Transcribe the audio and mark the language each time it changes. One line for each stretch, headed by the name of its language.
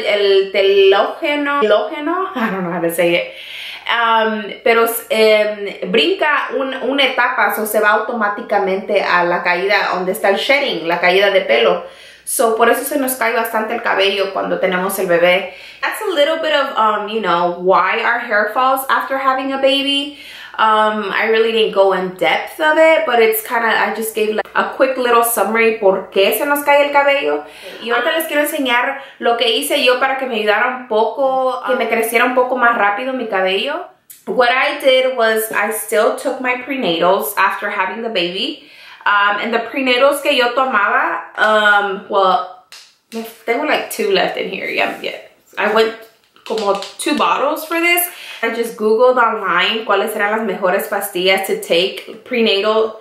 English: El telógeno, I don't know how to say it.
Spanish: Brinca una etapa, o so se va automáticamente a la caída donde está el shedding, la caída de pelo. So, por eso se nos cae bastante el cabello cuando tenemos el bebé.
English: That's a little bit of, you know, why our hair falls after having a baby. I really didn't go in depth of it, but it's kind of, I just gave like a quick little summary
Spanish: por qué se nos cae el cabello. Y ahorita les quiero enseñar lo que hice yo para que me ayudara un poco, que me creciera un poco más rápido mi cabello.
English: What I did was I still took my prenatals after having the baby. And the prenatals
Spanish: que yo tomaba,
English: there were like 2 left in here. Yeah. I went como 2 bottles for this. I just googled online
Spanish: cuáles eran las mejores pastillas
English: to take prenatal.